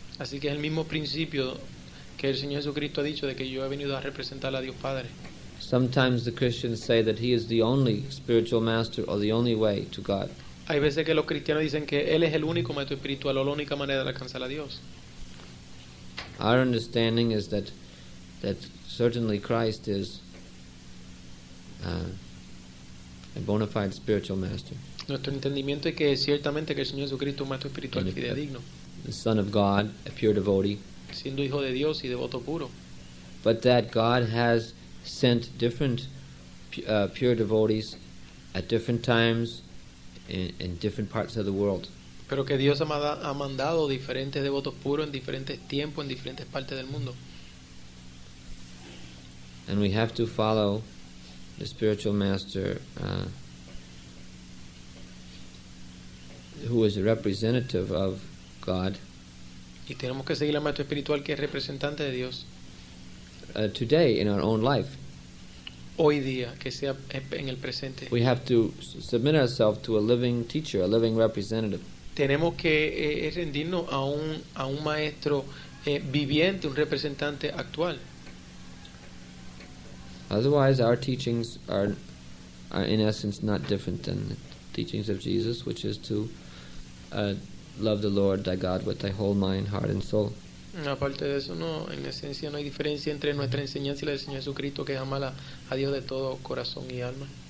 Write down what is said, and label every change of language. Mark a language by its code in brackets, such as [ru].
[es] Así que es el mismo principio que el Señor Jesucristo ha dicho de que yo he venido a representar a Dios Padre. [en] Sometimes the Christians say that he is the only spiritual master or the only way to God. [es] Hay veces que los cristianos dicen que él es el único maestro espiritual o la única manera de alcanzar a Dios. [en] Our understanding is that certainly Christ is a bona fide spiritual master. [es] Nuestro entendimiento es que ciertamente que el Señor Jesucristo es un maestro espiritual fidedigno. [en] The Son of God, a pure devotee. [es] Siendo hijo de Dios y devoto puro. [en] But that God has sent different pure devotees at different times in different parts of the world. [es] Pero que Dios ha mandado diferentes devotos puros en diferentes tiempos, en diferentes partes del mundo. [en] And we have to follow the spiritual master who is a representative of God. [es] Y tenemos que seguir al maestro espiritual que es representante de Dios. [en] Today in our own life. [es] Hoy día, que sea en el presente. [en] We have to submit ourselves to a living teacher, a living representative. [es] Tenemos que rendirnos a un maestro viviente, un representante actual. [en] Otherwise, our teachings are in essence not different than the teachings of Jesus, which is to love the Lord thy God with thy whole mind, heart, and soul. [es] Aparte de eso, no, en esencia no hay diferencia entre nuestra enseñanza y la del Señor Jesucristo, que es amar a Dios de todo corazón y alma.